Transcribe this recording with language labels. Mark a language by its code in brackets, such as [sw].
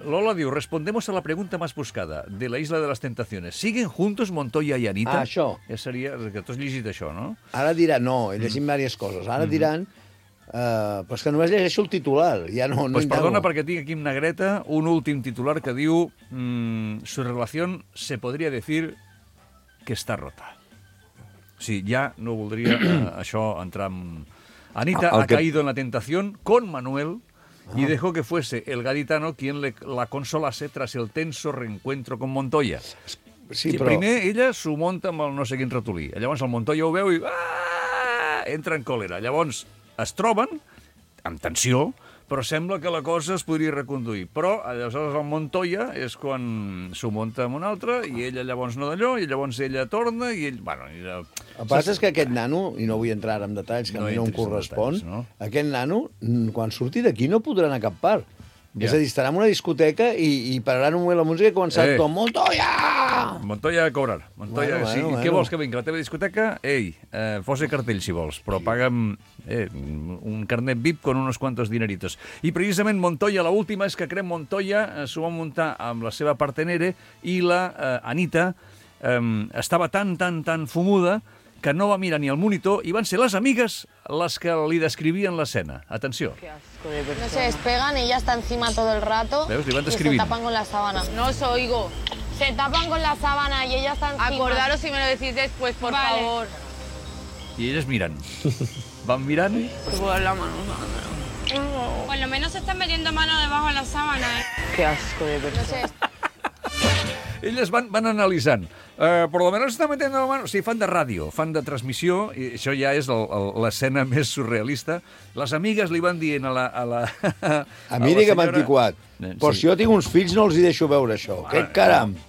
[es] Lola [ca] diu, [es] respondemos a la pregunta más buscada de la Isla de las Tentaciones. ¿Siguen juntos Montoya y Anita? [ca] Ah, això. Ja seria... Que tu has llegit això, no? Ara dirà... No, he llegit diverses coses. Ara diran... però és que només llegeixo el titular, ja no... Pues perdona, perquè tinc aquí en negreta un últim titular que diu... [es] su relación se podría decir que está rota. [ca] Sí, ja no voldria això entrar en... [es] Anita ha caído en la tentación con Manuel y dejó que fuese el gaditano quien la consolase tras el tenso reencuentro con Montoya. Sí, [ca] però... Primer ella s'ho monta amb el no sé quin ratolí. Llavors el Montoya ho veu i... entra en còlera. Llavors... es troben, amb tensió, però sembla que la cosa es podria reconduir. Però, aleshores, el Montoya és quan s'ho munta amb un altre i ella llavors no d'allò, i llavors ella torna i ell... Bueno, i... El pas és que aquest nano, i no vull entrar en detalls que no a mi no em correspon, detalls, no? Aquest nano, quan surti d'aquí, no podrà anar a cap part. Ja. És a dir, estarà en una discoteca i pararà un moment la música i començarà tot Montoya! Montoya a cobrar. Montoya, bueno, sí. Bueno, què bueno. Vols que vingui? La teva discoteca? Ei, fose cartell, si vols, però paga'm un carnet VIP [es] con unos cuantos dineritos. [ca] I precisament Montoya, l'última és que crec Montoya s'ho va muntar amb la seva partenere i la Anita estava tan fumuda que no va mirar ni el monitor i van ser les amigues les que li descrivien l'escena. Atenció. [es] No se despegan, ella está encima todo el rato. [ca] Veus, li van descrivint. [es] Y se tapan con la sábana. No os oigo. Se tapan con la sábana y ella está encima. Acordaros si me lo decís después, por vale. favor. [ca] I elles miran. Van mirant. [es] La mano. Por lo menos se están metiendo mano debajo de la sábana. Qué asco de persona. No sé. [ca] Elles van analitzant. Però almenys està metent la mano... O sigui, fan de ràdio, fan de transmissió, i això ja és l'escena més surrealista. Les amigues li van dient a la mi digue'm antiquat. Però si jo tinc uns fills, no els hi deixo veure, això. Home, que caram!